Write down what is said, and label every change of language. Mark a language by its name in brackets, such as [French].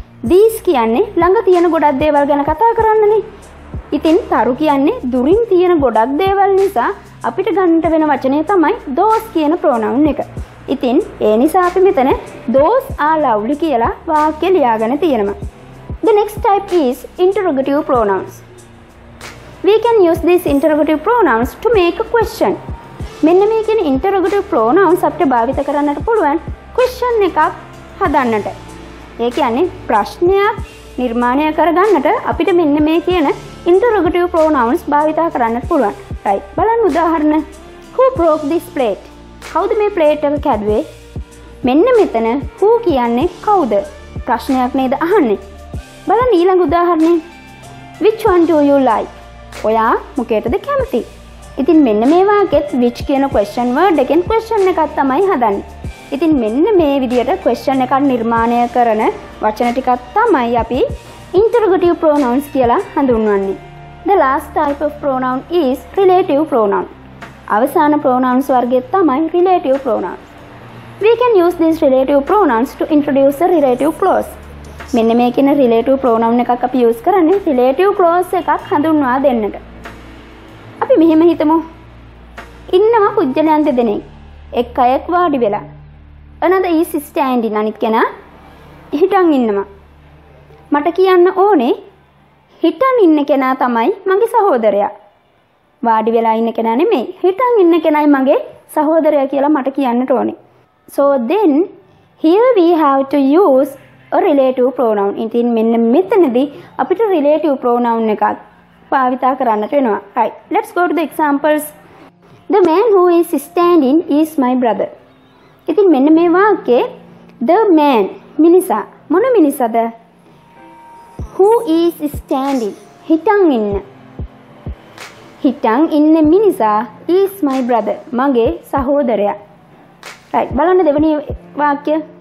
[Sinhala] These කියන්නේ ළඟ තියෙන ගොඩක් දේවල් ගැන කතා කරන්නනේ. ඉතින් තරු කියන්නේ දුරින් තියෙන ගොඩක් දේවල් නිසා අපිට ගන්නට වෙන වචනේ තමයි those කියන pronoun එක. ඉතින් ඒ නිසා අපි මෙතන [English] those are lovely [Sinhala] කියලා වාක්‍ය ලියාගෙන තියෙනවා. [English] The next type is interrogative pronouns. We can use these interrogative pronouns to make a question. [Sinhala] මෙන්න මේ කියන interrogative pronouns අපිට භාවිත කරන්නට පුළුවන් question එකක් හදන්නට. ඒ කියන්නේ ප්‍රශ්නයක් නිර්මාණය කරගන්නට අපිට මෙන්න මේ කියන interrogative pronouns භාවිත කරන්නට පුළුවන්. Right. බලන්න උදාහරණ. [English] Who broke this plate? [Sinhala] කවුද මේ ප්ලේට් එක කැඩුවේ? මෙන්න මෙතන who කියන්නේ කවුද? ප්‍රශ්නයක් නේද අහන්නේ. බලන්න ඊළඟ උදාහරණේ. [English] Which one do you like? [Sinhala] ඔයා මොකේද කැමති? ඉතින් මෙන්න මේ වාක්‍යෙත් which කියන question word එකෙන් question එකක් තමයි හදන්නේ. ඉතින් මෙන්න මේ විදිහට question එකක් නිර්මාණය කරන වචන ටිකක් තමයි අපි interrogative pronouns කියලා හඳුන්වන්නේ. [English] The last type of pronoun is relative pronoun. [Sinhala] අවසාන pronouns වර්ගයේ තමයි relative pronouns. [English] We can use these relative pronouns to introduce a relative clause. [Sinhala] මෙන්න මේ කියන relative pronoun එකක් අපි use කරන්නේ relative clause එකක් හඳුන්වා දෙන්නට. අපි මෙහෙම හිතමු. ඉන්නවා පුජ්‍යලයන් දෙදෙනෙක්. එක් අයෙක් වාඩි වෙලා. [English] Another is standing. [Sinhala] අනිත් කෙනා හිටන් ඉන්නවා. මට කියන්න ඕනේ හිටන් ඉන්න කෙනා තමයි මගේ සහෝදරයා. වාඩි වෙලා ඉන්න කෙනා නෙමෙයි. හිටන් ඉන්න කෙනයි මගේ සහෝදරයා කියලා මට කියන්නට ඕනේ. [English] So then here we have to use a relative pronoun. [Sinhala] ඉතින් මෙන්න මෙතනදී අපිට relative pronoun එකක් භාවිත කරන්නට වෙනවා. [English] Right. Let's go to the examples. The man who is standing is my brother. [Sinhala] ඉතින් මෙන්න මේ වාක්‍යයේ the man මිනිසා මොන මිනිසාද? [English] Who is standing? [Sinhala] හිටන් ඉන්න. හිටන් ඉන්න මිනිසා [English] is my brother. [Sinhala] මගේ සහෝදරයා. Right. බලන්න දෙවෙනි වාක්‍ය.